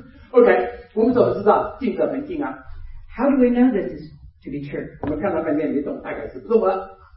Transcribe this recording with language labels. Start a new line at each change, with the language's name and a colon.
Chinese: Okay,我们怎么知道静止恒静啊？
English: How do we know this is to be true?
Chinese: 我们看到半天，你懂，大概是不动了。